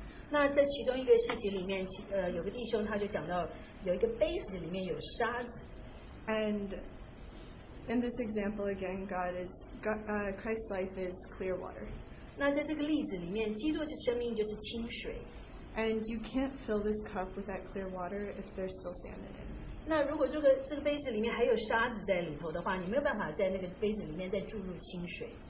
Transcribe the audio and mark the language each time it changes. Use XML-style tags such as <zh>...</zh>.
<zh>那在其中一个事情里面，有个弟兄他就讲到有一个杯子里面有沙子。</zh> <en>And in this example again, Christ's life is clear water.</en> <zh>那在这个例子里面，基督的生命就是清水。</zh> <en>And you can't fill this cup with that clear water if there's still sand in it.</en> <zh>那如果这个杯子里面还有沙子在里头的话, 你没有办法在那个杯子里面再注入清水。</zh>